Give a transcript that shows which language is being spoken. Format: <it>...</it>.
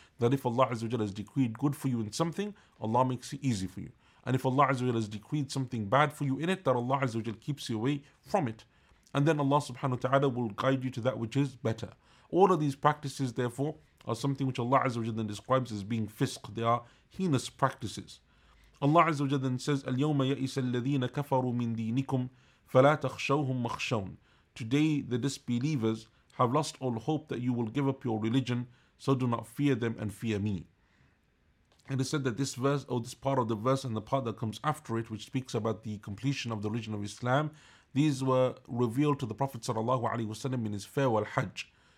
<en>That if Allah Azza wa Jal has decreed good for you in something, Allah makes it easy for you. And if Allah Azza wa Jalla has decreed something bad for you in it, that Allah Azza wa Jalla keeps you away from it. And then Allah subhanahu wa ta'ala will guide you to that which is better. All of these practices, therefore, are something which Allah Azza wa Jalla then describes as being fisq. They are heinous practices. Allah Azza wa Jalla then says,</en> <ar>الْيَوْمَ يَئِسَ الَّذِينَ كَفَرُوا مِنْ دِينِكُمْ فَلَا تَخْشَوْهُمْ مَخْشَوْنَ.</ar> <en>Today the disbelievers have lost all hope that you will give up your religion, so do not fear them and fear me. And it said that this verse, or this part of the verse and the part that comes after it, which speaks about the completion of the religion of Islam, these were revealed to the Prophet sallallahu alaihi wasallam in his farewell Hajj.</en>